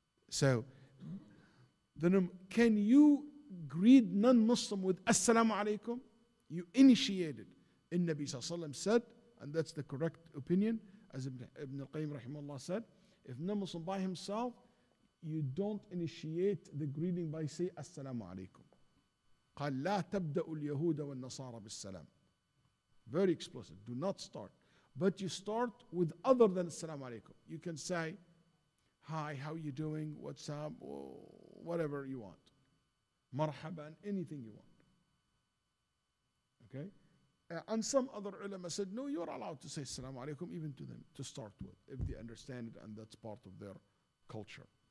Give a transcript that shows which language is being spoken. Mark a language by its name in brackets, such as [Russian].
[English] So, can you greet non-Muslim with Assalamu alaikum? You initiated. In Nabi Sallallahu Alaihi Wasallam said, and that's the correct opinion, as Ibn al-Qayyim rahimahullah said, if non-Muslim by himself, you don't initiate the greeting by say Assalamu alaikum. [Arabic] قال لا تبدأ اليهود والنصارى بالسلام. [English] Very explicit. Do not start. But you start with other than Assalamu alaikum. You can say, hi, how are you doing? What's up? Whatever you want. Marhaban, anything you want. Okay? And some other ulama said, no, you're allowed to say Assalamu alaikum even to them to start with, if they understand it and that's part of their culture.